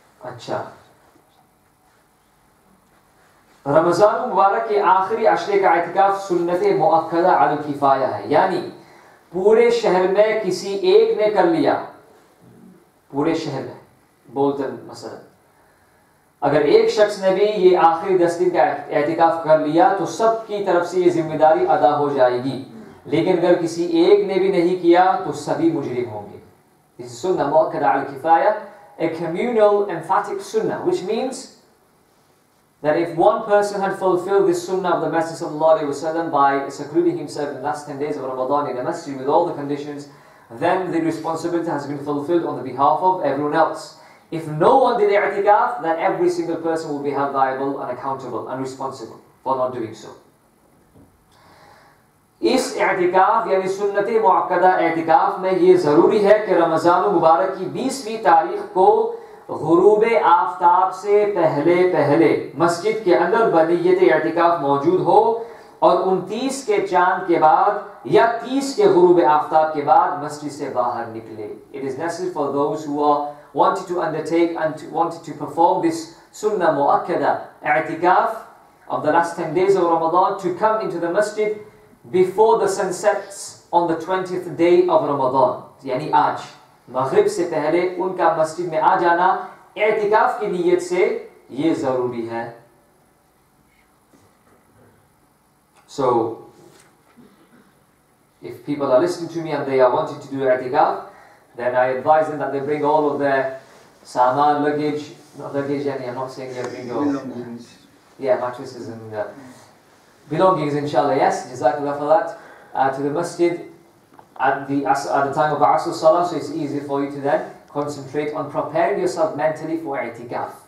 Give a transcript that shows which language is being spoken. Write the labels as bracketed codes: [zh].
[ur] اچھا, رمضان مبارک کے آخری عشرے کا اعتکاف سنت مؤکدہ علی کفایہ ہے, یعنی پورے شہر میں کسی ایک نے کر لیا, پورے شہر میں بولتن مثلا اگر ایک شخص نے بھی یہ آخری 10 دن کا اعتکاف کر لیا تو سب کی طرف سے یہ ذمہ داری ادا ہو جائے گی, لیکن اگر کسی ایک نے بھی نہیں کیا تو سبھی مجرم ہوں گے. [en] سنت مؤکدہ علی کفایہ, a communal emphatic sunnah, which means that if one person had fulfilled this sunnah of the Messenger of Allah alayhi wa sallam by secluding himself in the last 10 days of Ramadan in a masjid with all the conditions, then the responsibility has been fulfilled on the behalf of everyone else. If no one did i'tikaf, then every single person will be held liable and accountable and responsible for not doing so. [ur] اس اعتکاف یعنی سنت مؤکدہ اعتکاف میں یہ ضروری ہے کہ رمضان المبارک کی 20ویں تاریخ کو غروب آفتاب سے پہلے پہلے مسجد کے اندر بنیت اعتکاف موجود ہو, اور 29 کے چاند کے بعد یا 30 کے غروب آفتاب کے بعد مسجد سے باہر نکلے. [en] It is necessary for those who wanted to undertake and wanted to perform this sunnah mu'akkada, i'tikaf of the last 10 days of Ramadan, to come into the masjid before the sun sets on the 20th day of Ramadan. [ur] یعنی آج مغرب سے پہلے ان کا مسجد میں آ جانا اعتکاف کی نیت سے یہ ضروری ہے. [en] So if people are listening to me and they are wanting to do اعتکاف, then I advise them that they bring all of their سامان, luggage, not luggage, yani I'm not saying they bring all belongings. Yeah, mattresses and belongings, inshallah, yes, jazakallah for that, to the masjid at the time of Asr Salah, so it's easy for you to then concentrate on preparing yourself mentally for i'tikaf.